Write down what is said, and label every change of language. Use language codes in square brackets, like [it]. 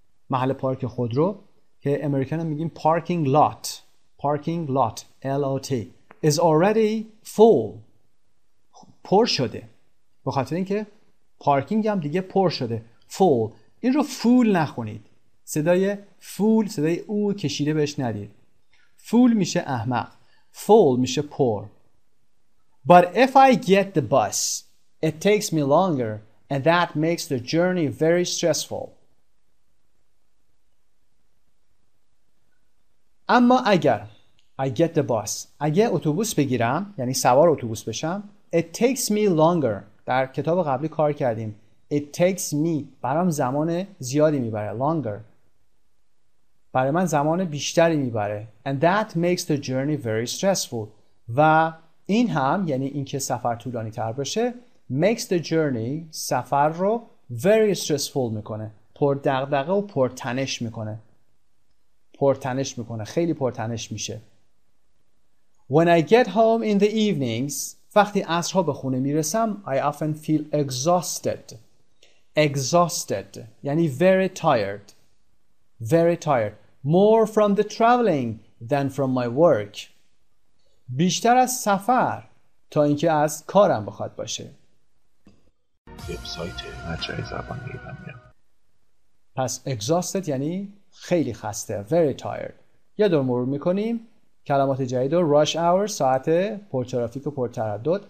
[fa] محل پارک خودرو. که امریکن هم میگیم parking lot. Parking lot. L-O-T. [en] Is already full. [fa] پر شده. به خاطر اینکه parking هم دیگه پر شده. Full. این رو full نخونید. صدای فول، صدای او کشیده بهش ندید. فول میشه احمق. فول میشه پر. [en] But if I get the bus, it takes me longer and that makes the journey very stressful. [fa] اما اگر [en] I get the bus، [fa] اگه اتوبوس بگیرم، یعنی سوار اتوبوس بشم، [en] it takes me longer. [fa] در کتاب قبلی کار کردیم. It takes me برام زمان زیادی میبره. Longer برای من زمان بیشتری میبره. [en] And that makes the journey very stressful. [fa] و این هم یعنی اینکه سفر طولانی تر بشه، makes the journey سفر رو very stressful میکنه. پر دغدغه و پر تنش میکنه. پر تنش میکنه. خیلی پر تنش میشه. [en] When I get home in the evenings [fa] و وقتی عصرها به خونه میرسم [en] I often feel exhausted. Exhausted [fa] یعنی [en] very tired. Very tired. More from the traveling than from my work. [fa] بیشتر از سفر تا اینکه از کارم بخواد باشه. وبسایت مجله زبان ایران میام. پس exhausted یعنی خیلی خسته. Very tired. یه دور مرور میکنیم. کلمات جدید و rush hour ساعت پرترافیک و پرتردد.